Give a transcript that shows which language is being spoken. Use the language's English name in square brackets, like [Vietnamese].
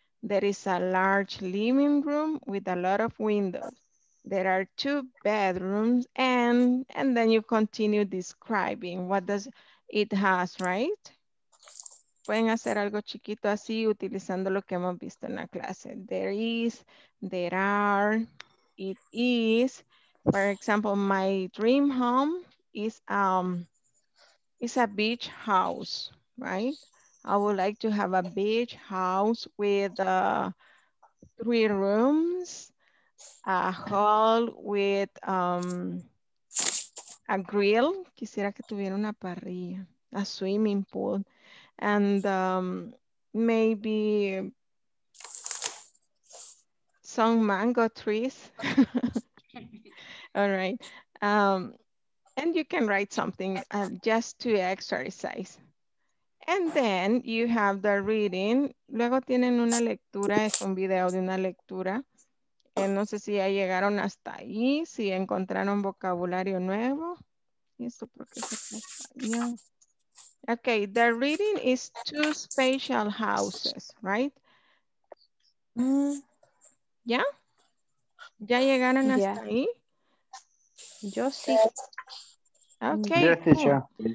[English] There is a large living room with a lot of windows. There are two bedrooms and then you continue describing what does it has, right? [Spanish] Pueden hacer algo chiquito así utilizando lo que hemos visto en la clase. [English] There is, there are, it is. For example, my dream home is a beach house, right? I would like to have a beach house with three rooms, a hall with a grill. Quisiera que tuviera una parrilla, a swimming pool, and maybe some mango trees. All right. And you can write something just to exercise. And then you have the reading. [Spanish] Luego tienen una lectura, es un video de una lectura. No sé si ya llegaron hasta ahí, si encontraron vocabulario nuevo. ¿Esto por qué se pasó? [English] Okay, the reading is two spatial houses, right? [Spanish] ¿Ya? ¿Ya llegaron hasta ahí? Yo sí. [English] Okay, yes, cool.